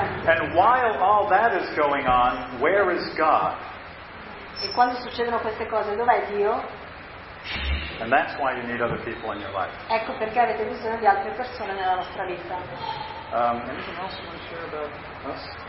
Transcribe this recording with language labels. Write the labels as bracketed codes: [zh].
[en] And while all that is going on, where is God? [it] E quando succedono queste cose, dov'è Dio? [en] And that's why you need other people in your life. [it] Ecco perché avete bisogno di altre persone nella vostra vita. [en] Anything else you want to share about us?